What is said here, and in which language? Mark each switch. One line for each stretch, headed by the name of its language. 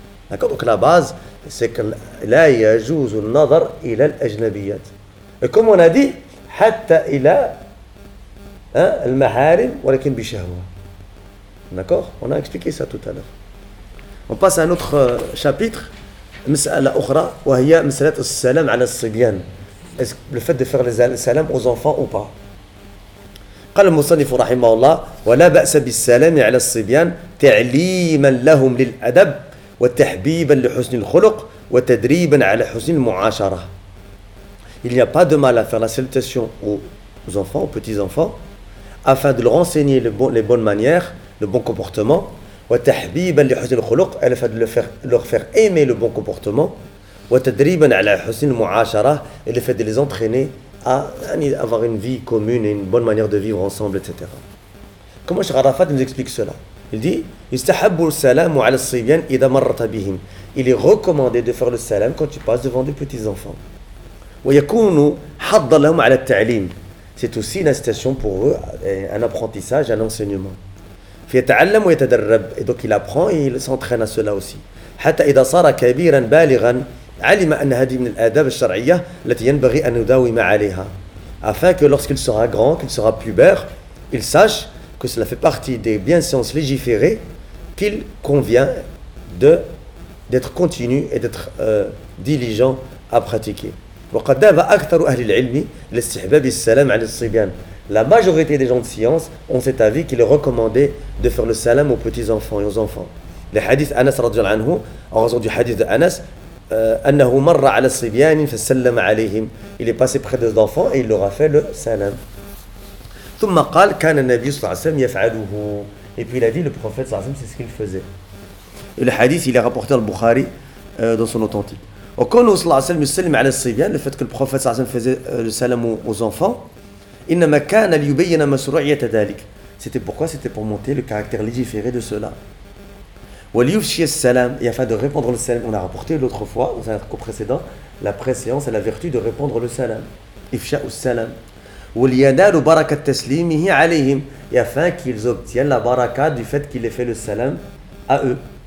French: D'accord, donc la base c'est que
Arabic: لا يجوز النظر إلى الأجنبيات
French: et comme on a dit
Arabic: حتى إلى المحارم ولكن بشهوة.
French: D'accord, on a expliqué ça tout à l'heure. On passe à un autre chapitre.
Arabic: مسألة أخرى وهي مسألة السلام على الصبيان.
French: Le fait de faire les salams aux enfants ou pas.
Arabic: قال المصنف رحمه الله: ولا بأس بالسلام على الصبيان تعليما لهم للأدب وتحبيبا لحسن الخلق وتدريبا على حسن المعاشرة.
French: Il n'y a pas de mal à faire la salutation aux enfants, aux petits-enfants, afin de leur enseigner les bonnes manières, le bon comportement, et afin de leur faire aimer le bon comportement, et le fait de les entraîner à avoir une vie commune et une bonne manière de vivre ensemble, etc. Comment Cheikh Arafat nous explique cela ? Il dit : Il est recommandé de faire le salam quand tu passes devant des petits-enfants.
Arabic: ويكون حظا لهم على التعليم.
French: C'est aussi une incitation pour eux, un apprentissage, un enseignement.
Arabic: فيتعلم ويتدرب.
French: Et donc il apprend et il s'entraîne à cela aussi.
Arabic: حتى إذا صار كبيرا بالغا علم أن هذه من الآداب الشرعية التي ينبغي أن نداوم عليها.
French: Afin que lorsqu'il sera grand, qu'il sera pubère, il sache que cela fait partie des bienséances légiférées qu'il convient d'être continu et d'être diligent à pratiquer.
Arabic: وقد ذهب أكثر أهل العلم لاستحباب السلام على الصبيان.
French: La majorité des gens de science ont cet avis qu'il est recommandé de faire le salam aux petits enfants et aux enfants. Le hadith Anas
Arabic: رضي الله عنه,
French: en raison du hadith de Anas,
Arabic: أنه مر على الصبيان فسلم عليهم.
French: Il est passé près des enfants et il leur a fait le salam.
Arabic: ثم قال كان النبي صلى الله عليه وسلم يفعله.
French: Et puis il a dit le prophète
Arabic: صلى الله عليه وسلم
French: c'est ce qu'il faisait. Et le hadith il est rapporté dans le Bukhari dans son authentique.
Arabic: وكونه صلى الله عليه وسلم يسلم على الصبيان
French: le fait que le prophète صلى الله عليه وسلم faisait le salam aux enfants
Arabic: إنما كان ليبين مشروعية ذلك.
French: C'était pourquoi? C'était pour monter le caractère légiféré de cela.
Arabic: وليفشي السلام,
French: et afin de répondre le salam. On a rapporté l'autre fois dans un cours précédent la préséance et la vertu de répondre le salam.
Arabic: إفشاء السلام. ولينال بركة تسليمه عليهم,
French: et afin qu'ils obtiennent la baraka du fait qu'il ait fait le salam à eux.